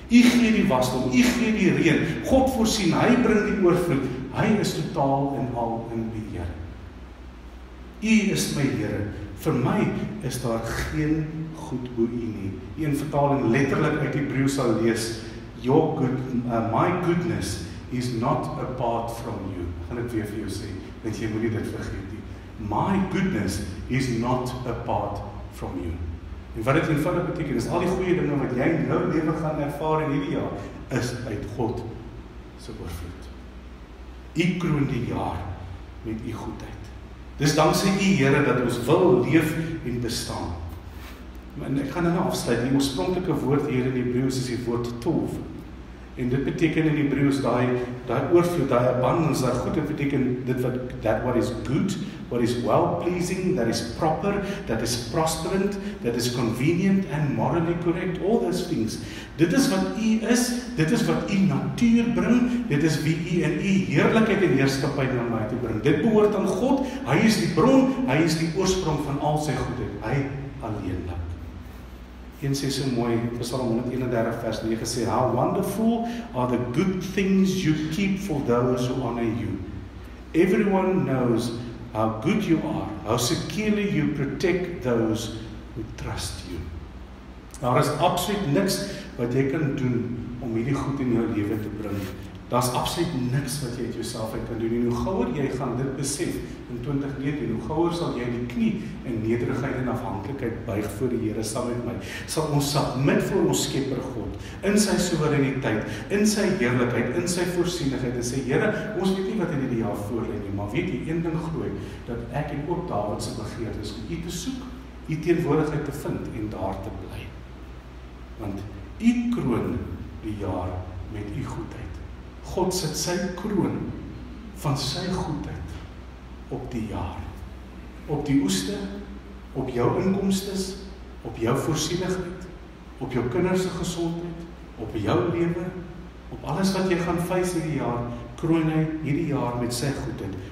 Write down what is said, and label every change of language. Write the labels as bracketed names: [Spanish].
[Afrikaans] U gee die wasdom, u gee die reën. God voorsien, hy bring die oorvloed. Hy is totaal en al in die Here. U is my Here. Vir my is daar geen goed bo u nie. Een vertaling letterlik uit Hebreeu sal lees, [English] "Your good, my goodness is not apart from you." [Afrikaans] Gaan ek weer vir jou sê, want jy moet nie dit vergeet nie. [English] My goodness is not apart from you. [Afrikaans] En wat dit eenvoudig beteken, is al die goeie dinge wat jy nou lewe gaan ervaar in hierdie jaar, is uit God se oorvloed. U kroon die jaar met u goedheid. Dis dankse u Here dat ons wil leef en bestaan. En ek gaan nou afsluit, die oorspronklike woord hier in Hebreeus is die woord tov. En dit beteken in Hebreeus daai oorvloed, daai abundance, daai goedheid beteken dit wat [English] that what is good, what is well-pleasing, that is proper, that is prosperant, that is convenient and morally correct, all those things. [Afrikaans] Dit is wat u is, dit is wat u natuur bring, dit is wie u in u heerlikheid en heerskappy na my toe bring. Dit behoort aan God, hy is die bron, hy is die oorsprong van al sy goedheid, hy alleenlik. En sê so mooi, Psalm 131 vers 9 sê, [English] How wonderful are the good things you keep for those who honor you. Everyone knows how good you are, how securely you protect those who trust you. [Afrikaans] Daar is absoluut niks wat jy kan doen om hierdie goed in jou lewe te bring. Daar is absoluut niks wat jy uit jouself uit kan doen. En hoe gouer jy gaan dit besef in 2019, hoe gouer sal jy die knie in nederigheid en afhanklikheid buig voor die Here saam met my. Sal ons submit voor ons Skepper God, in sy soewereiniteit, in sy heerlikheid, in sy voorsienigheid, en sê, Here, ons weet nie wat in die jaar voor lê nie, maar weet jy, een ding glo ek, dat ek en ook Dawid se begeerte is om U te soek, U teenwoordigheid te vind en daar te bly. Want U kroon die jaar met U goedheid. God sit sy kroon van sy goedheid op die jaar, op die oeste, op jou inkomstes, op jou voorsienigheid, op jou kinderse gezondheid, op jou lewe, op alles wat jy gaan vuis hierdie jaar, kroon hy hierdie jaar met sy goedheid.